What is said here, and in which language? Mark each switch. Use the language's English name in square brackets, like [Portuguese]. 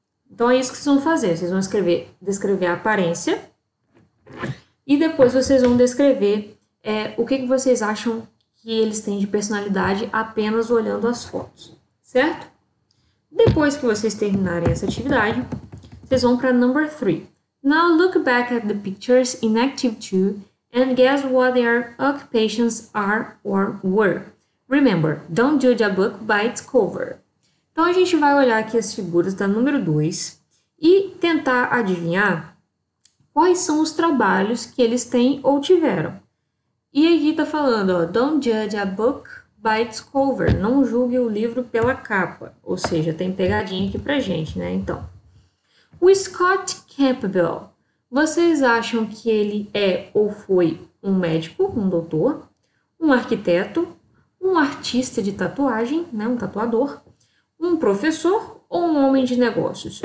[Portuguese] Então é isso que vocês vão fazer, vocês vão descrever a aparência e depois vocês vão descrever. O que que vocês acham que eles têm de personalidade apenas olhando as fotos, certo? Depois que vocês terminarem essa atividade, vocês vão para number 3. [English] Now look back at the pictures in active 2 and guess what their occupations are or were. Remember, don't judge a book by its cover. [Portuguese] Então, a gente vai olhar aqui as figuras da número 2 e tentar adivinhar quais são os trabalhos que eles têm ou tiveram. E aqui está falando, ó, [English] don't judge a book by its cover. [Portuguese] Não julgue o livro pela capa. Ou seja, tem pegadinha aqui pra gente, né? Então, o Scott Campbell, vocês acham que ele é ou foi um médico, um doutor, um arquiteto, um artista de tatuagem, né, um tatuador, um professor ou um homem de negócios?